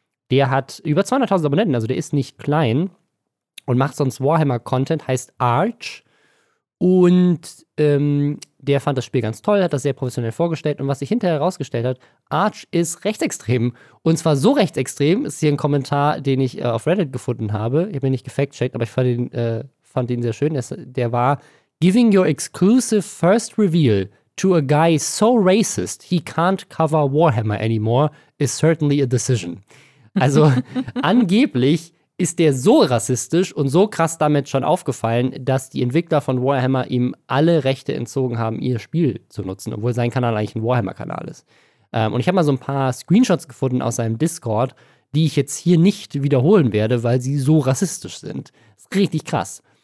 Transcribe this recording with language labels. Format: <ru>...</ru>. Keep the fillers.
<de>Der hat über 200.000 Abonnenten, also der ist nicht klein und macht sonst Warhammer-Content, heißt Arch. Und ähm, der fand das Spiel ganz toll, hat das sehr professionell vorgestellt. Und was sich hinterher herausgestellt hat, Arch ist rechtsextrem. Und zwar so rechtsextrem, ist hier ein Kommentar, den ich äh, auf Reddit gefunden habe. Ich habe ihn nicht gefactcheckt, aber ich fand ihn, äh, fand ihn sehr schön. Es, der war,</de> <en>giving your exclusive first reveal to a guy so racist he can't cover Warhammer anymore is certainly a decision.</en> <de>Also angeblich ist der so rassistisch und so krass damit schon aufgefallen, dass die Entwickler von Warhammer ihm alle Rechte entzogen haben, ihr Spiel zu nutzen, obwohl sein Kanal eigentlich ein Warhammer-Kanal ist. Ähm, und ich habe mal so ein paar Screenshots gefunden aus seinem Discord, die ich jetzt hier nicht wiederholen werde, weil sie so rassistisch sind. Das ist richtig krass.</de>